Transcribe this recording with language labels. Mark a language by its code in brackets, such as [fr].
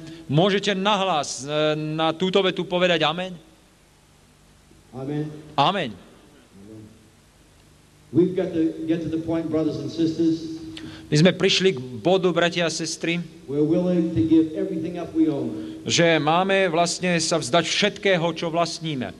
[sk] Môžete nahlas na túto vetu povedať amen? Amen. Amen. [en] We've got to get to the point, brothers and sisters. [sk] My sme prišli k bodu, bratia a sestry, [en] we're willing to give everything up we own. [sk] Že máme vlastne sa vzdať všetkého, čo vlastníme.